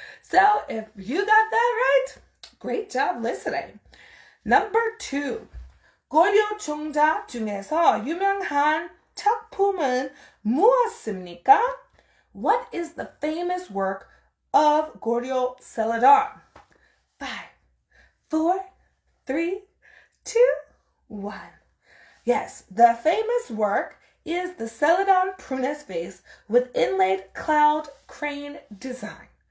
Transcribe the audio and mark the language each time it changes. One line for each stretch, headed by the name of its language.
English: So if you got that right, great job listening. Number two.
Korean: 고려 종자 중에서 유명한 작품은 무엇입니까?
English: What is the famous work of Goryeo Celadon? 5, 4, 3, 2, 1. Yes, the famous work is the Celadon Prunus vase with inlaid cloud crane design.